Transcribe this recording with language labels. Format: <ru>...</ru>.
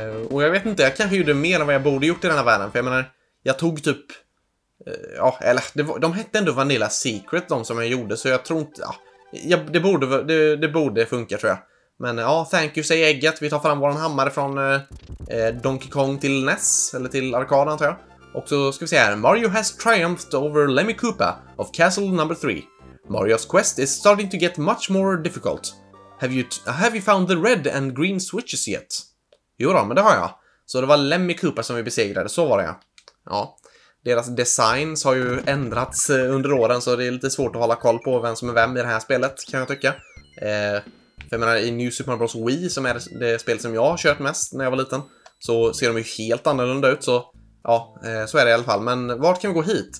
<sv>Och jag vet inte, jag kanske gjorde mer än vad jag borde gjort i den här världen. För jag menar, jag tog typ... ja, eller de hette ändå Vanilla Secret, de som jag gjorde. Så jag tror inte... Ja, det borde funka, tror jag. Men ja,</sv> <en>thank you,</en> <sv>säger ägget. Vi tar fram vår hammare från Donkey Kong till NES. Eller till arkaden, tror jag. Och så ska vi se här.</sv> <en>Mario has triumphed over Lemmy Koopa of Castle No. 3. Mario's quest is starting to get much more difficult. Have you found the red and green switches yet?</en> <sv>Jo då, men det har jag. Så det var Lemmy Koopa som vi besegrade, så var det, ja. Ja, deras designs har ju ändrats under åren, så det är lite svårt att hålla koll på vem som är vem i det här spelet, kan jag tycka. För jag menar, i New Super Mario Bros. Wii, som är det spel som jag har kört mest när jag var liten, så ser de ju helt annorlunda ut, så ja, så är det i alla fall. Men vart kan vi gå hit?</sv>